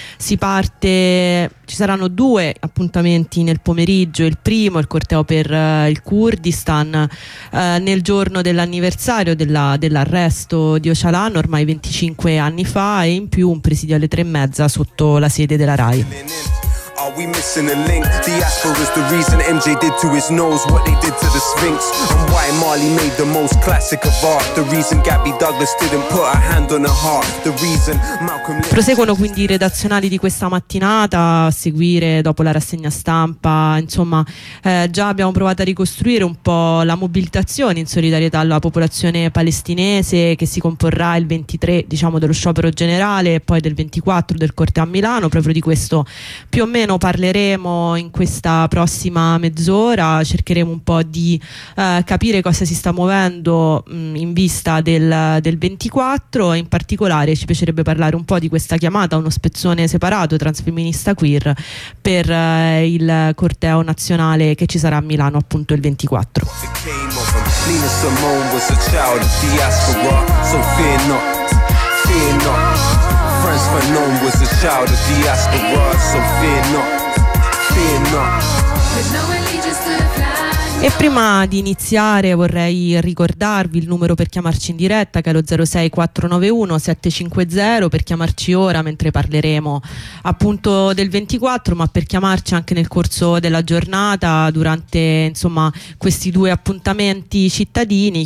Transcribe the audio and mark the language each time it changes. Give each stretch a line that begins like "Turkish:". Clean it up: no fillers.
Italian: Ci saranno due appuntamenti nel pomeriggio. Il primo, il corteo per il Kurdistan, nel giorno dell'anniversario dell'arresto di Öcalan, ormai 25 anni fa, e in più un presidio alle 3:30 sotto la sede della RAI.
English: Are we missing a link? Diaspora's the reason MJ did to his nose what they did to the Sphinx. And why Marley made the most classic of art. The reason Gabby Douglas didn't put a hand on her heart. The reason Malcolm.
Italian: Proseguono quindi i redazionali di questa mattinata a seguire dopo la rassegna stampa. Insomma, già abbiamo provato a ricostruire un po' la mobilitazione in solidarietà alla popolazione palestinese che si comporrà il 23, diciamo, dello sciopero generale e poi del 24 del corteo a Milano. Proprio di questo più o meno parleremo in questa prossima mezz'ora. Cercheremo un po' di capire cosa si sta muovendo in vista del 24, e in particolare ci piacerebbe parlare un po' di questa chiamata, uno spezzone separato transfemminista queer per il corteo nazionale che ci sarà a Milano appunto il 24.
English: Nina Simone was a child of diaspora, so fear not, fear not. Friends for known was a child of diaspora, so fear not, fear not.
Italian: E prima di iniziare vorrei ricordarvi il numero per chiamarci in diretta, che è lo 06491 750, per chiamarci ora mentre parleremo appunto del 24, ma per chiamarci anche nel corso della giornata durante, insomma, questi due appuntamenti cittadini.